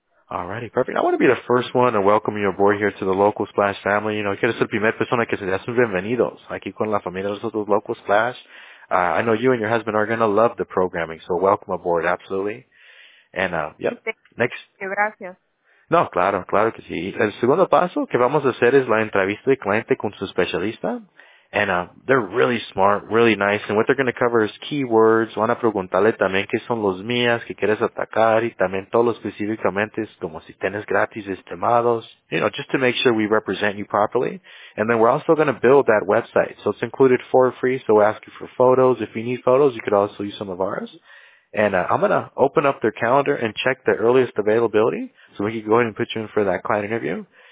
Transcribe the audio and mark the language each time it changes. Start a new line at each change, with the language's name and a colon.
English: All righty, perfect. I want to be the first one to welcome you aboard here to the Local Splash family.
Spanish: You know, quiero ser primera persona que se da sus bienvenidos aquí con la familia de nosotros, Local Splash.
English: I know you and your husband are going to love the programming, so welcome aboard, absolutely. And, yep, next.
Spanish: Gracias. No, claro, claro que sí. El segundo paso que vamos a hacer es la entrevista de cliente con su especialista.
English: And they're really smart, really nice. And what they're going to cover is keywords.
Spanish: Van a preguntarle también qué son los mías, qué quieres atacar, y también todo lo específicamente es como si tienes gratis estimados.
English: You know, just to make sure we represent you properly. And then we're also going to build that website. So it's included for free. So we'll ask you for photos. If you need photos, you could also use some of ours. And I'm going to open up their calendar and check the earliest availability so we can go ahead and put you in for that client interview.